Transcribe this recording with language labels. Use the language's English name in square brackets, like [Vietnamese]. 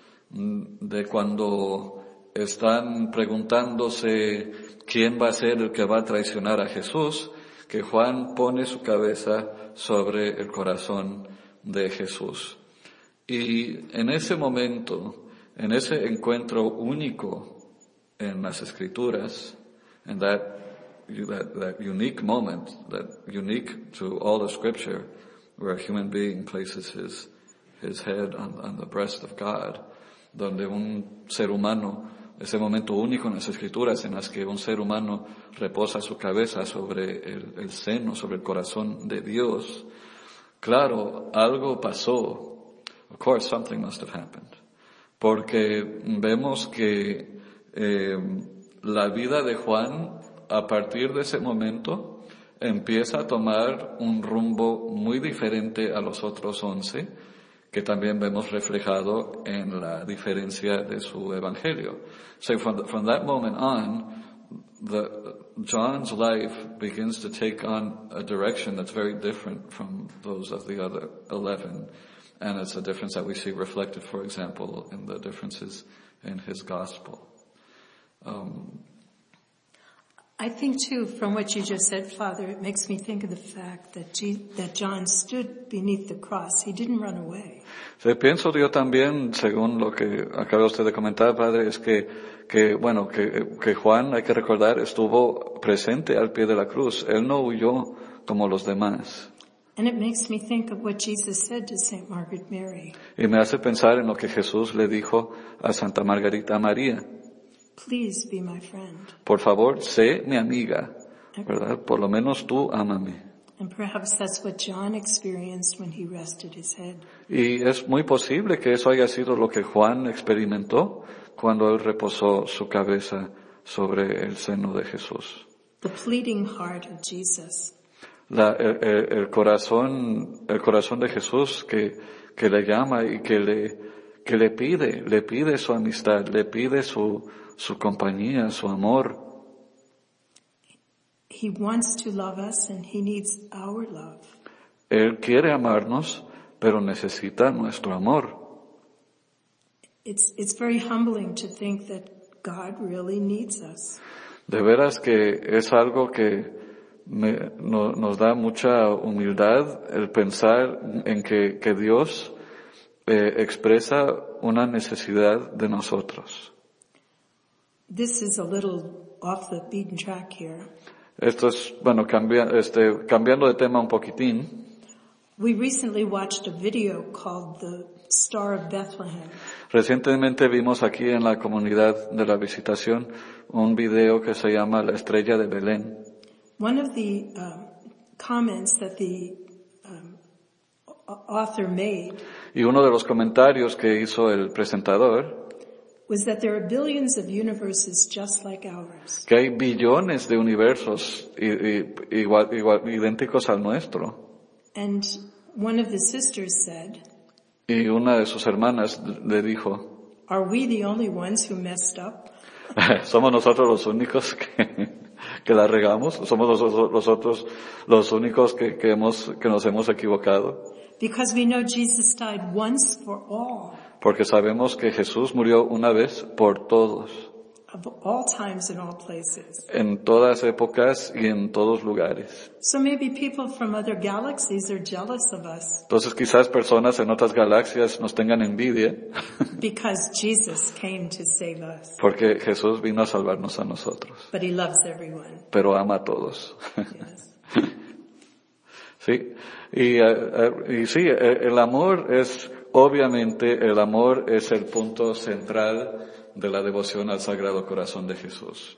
[Spanish] de cuando están preguntándose quién va a ser el que va a traicionar a Jesús, que Juan pone su cabeza sobre el corazón de Jesús. Y en ese momento, en ese encuentro único en las Escrituras, [English] in that unique moment, that unique to all the Scripture, where a human being places his head on the breast of God, [Spanish] donde un ser humano, ese momento único en las Escrituras en las que un ser humano reposa su cabeza sobre el seno, sobre el corazón de Dios, claro, algo pasó. [English] Of course, something must have happened. [Spanish] Porque vemos que la vida de Juan, a partir de ese momento, empieza a tomar un rumbo muy diferente a los otros 11, que también vemos reflejado en la diferencia de su evangelio. [English] So from that moment on, John's life begins to take on a direction that's very different from those of the other 11, and it's a difference that we see reflected, for example, in the differences in his gospel. I think too, from what you just said, Father, it makes me think of the fact that John stood beneath the cross. He didn't run away. [Spanish] Se pienso yo también, según lo que acaba usted de comentar, Padre, es que Juan, hay que recordar, estuvo presente al pie de la cruz. Él no huyó como los demás. [English] And it makes me think of what Jesus said to Saint Margaret Mary. [Spanish] Y me hace pensar en lo que Jesús le dijo a Santa Margarita María. [English] Please be my friend. [Spanish] Por favor, sé mi amiga, ¿verdad? Por lo menos tú ámame. [English] And perhaps that's what John experienced when he rested his head. [Spanish] Y es muy posible que eso haya sido lo que Juan experimentó cuando él reposó su cabeza sobre el seno de Jesús. [English] The pleading heart of Jesus. [Spanish] El corazón de Jesús que le llama y que le pide su amistad, le pide su compañía, su amor. [English] He wants to love us and he needs our love. [Spanish] Él quiere amarnos, pero necesita nuestro amor. [English] It's very humbling to think that God really needs us. [Spanish] De veras que es algo que nos da mucha humildad el pensar en que Dios expresa una necesidad de nosotros. [English] This is a little off the beaten track here. [Spanish] Esto es, bueno, cambiando de tema un poquitín. [English] We recently watched a video called The Star of Bethlehem. [Spanish] Recientemente vimos aquí en la comunidad de la Visitación un video que se llama La Estrella de Belén. [English] One of the comments that the author made, [Spanish] y uno de los comentarios que hizo el presentador, [English] was that there are billions of universes just like ours. [Spanish] Que hay billones de universos igual idénticos al nuestro. [English] And one of the sisters said, [Spanish] y una de sus hermanas le dijo, [English] are we the only ones who messed up? [Spanish] ¿Somos nosotros los únicos que la regamos? ¿Somos nosotros los únicos que nos hemos equivocado? [English] Because we know Jesus died once for all. [Spanish] Porque sabemos que Jesús murió una vez por todos. [English] Of all times and all places. [Spanish] En todas épocas y en todos lugares. [English] So maybe people from other galaxies are jealous of us. [Spanish] Entonces quizás personas en otras galaxias nos tengan envidia. [English] Because Jesus came to save us. [Spanish] Porque Jesús vino a salvarnos a nosotros. [English] But he loves everyone. [Spanish] Pero ama a todos. [English] Yes. [Spanish] Sí. Y sí, el amor es, obviamente, el amor es el punto central de la devoción al Sagrado Corazón de Jesús.